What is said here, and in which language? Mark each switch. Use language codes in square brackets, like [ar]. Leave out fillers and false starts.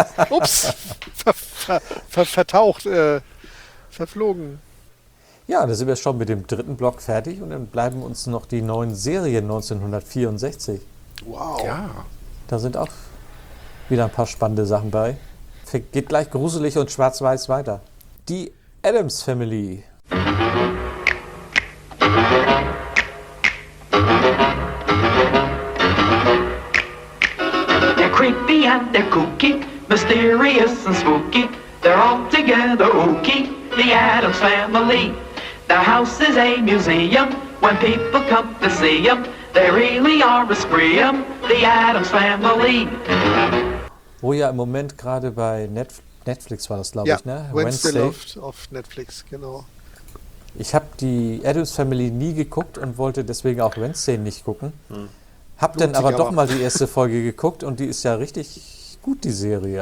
[de] Ups. Vertaucht. Verflogen. Ja, da sind wir schon mit dem dritten Block fertig und dann bleiben uns noch die neuen Serien 1964. Wow. Ja. Da sind auch wieder ein paar spannende Sachen bei. Geht gleich gruselig und schwarz-weiß weiter. Die Addams Family. [en] They're creepy and they're kooky, mysterious and spooky. They're all together ooky, the Addams Family. The house is a museum, when people come to see them, they really are a scream, the Addams Family. [de] Wo ja im Moment gerade bei Netflix war das, glaube ich, ne? Wednesday auf Netflix, genau. Ich habe die Addams Family nie geguckt und wollte deswegen auch Wednesday nicht gucken. Hab dann aber doch mal die erste Folge geguckt und die ist ja richtig gut, die Serie.